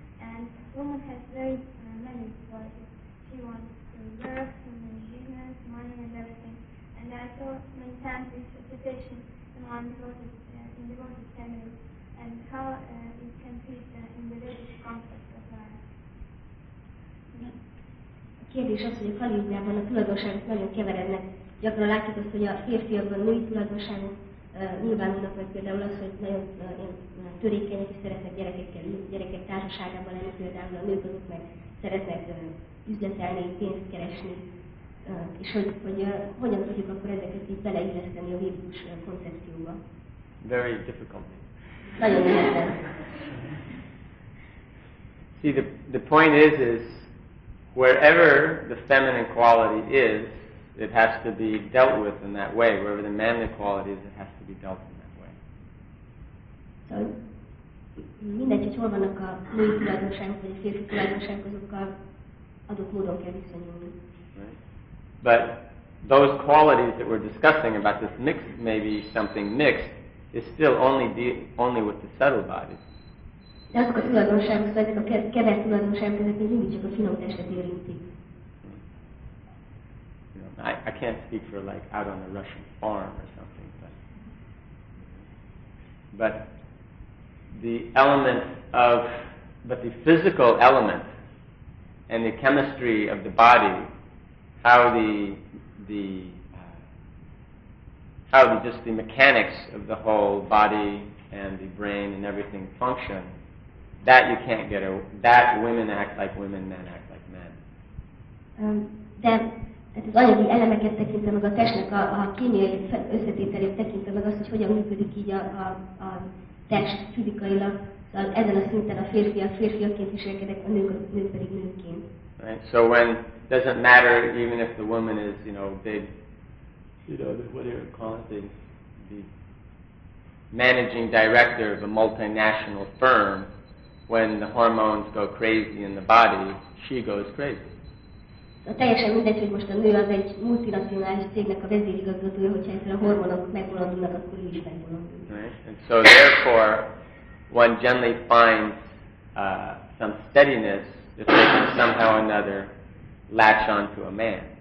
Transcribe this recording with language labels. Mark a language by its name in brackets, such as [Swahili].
[English] And a woman has very many qualities. She wants to work, to make business, money and everything. And I thought many times this situation in one devoted in the devoted family and how it can fit in the religious context of life. [Hungarian] Kérdés az, hogy a kalibriában a tulajdonságok nagyon keverednek. Gyakran látjuk azt, hogy a férfiakban női tulajdonságok nyilvánulnak, vagy például az, hogy nagyon törékenyek és szeretnek gyerekekkel, gyerekek társaságában lenni, például a nők azok meg szeretnek üzletelni, pénzt keresni. És hogy hogyan tudjuk akkor ezeket így beleilleszteni a biblikus koncepcióba. [English] Very difficult. [Hungarian] Nagyon nehezen. [English] See, the point is wherever the feminine quality is, it has to be dealt with in that way. Wherever the manly quality is, it has to be dealt in that way. [Hungarian] So, mindegy, hogy hol vannak a női tulajdonságok, vagy a férfi tulajdonságok, azokkal adott módon kell viszonyulni. [English] Right. But those qualities that we're discussing about this mix, maybe something mixed, is still only with the subtle bodies. [Hungarian] De azok a tulajdonságok, ezek a kevert tulajdonságok, ezek még mindig csak a finom testet érintik. [English] I can't speak for like out on a Russian farm or something, but the physical element and the chemistry of the body, how the mechanics of the whole body and the brain and everything function, that you can't get a, that women act like women, men act like men. [Hungarian] Tehát az anyagi elemeket tekintve meg a testnek a kémiai összetételét tekintve meg azt, hogy hogyan működik így a test fizikailag. Szóval ezen a szinten a férfi a férfiaként viselkedik, a nő pedig nőként. [English] Right. So when it doesn't matter even if the woman is, you know, big, you know, what you call it, the managing director of a multinational firm, when the hormones go crazy in the body, she goes crazy. [Hungarian] A teljesen mindegy, hogy most a nő az egy multinacionális cégnek a vezérigazgatója, hogyha ezzel a hormonok megbolondulnak, akkor ő is megbolondul. [English] Right. And so therefore, one generally finds some steadiness if they can somehow or another latch on to a man.